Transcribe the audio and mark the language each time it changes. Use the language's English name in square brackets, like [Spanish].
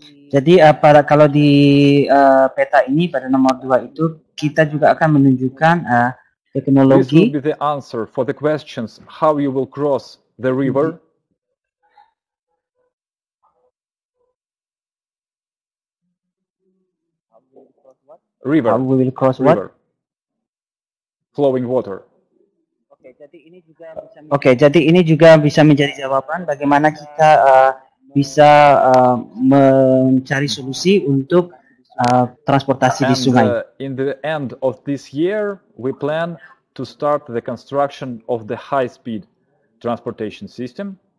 [Indonesian] Jadi para kalau di peta ini pada nomor 2 itu kita juga akan menunjukkan teknologi. [English] This will be the answer for the questions how you will cross the river. River. How we will cross river. What? Flowing water. [Indonesian] Okay, jadi ini juga bisa menjadi, okay, jadi ini juga bisa menjadi jawaban bagaimana kita bisa mencari solusi untuk transportasi di sungai. [English] And in the end of this year, we plan to start the construction of the high-speed transportation system.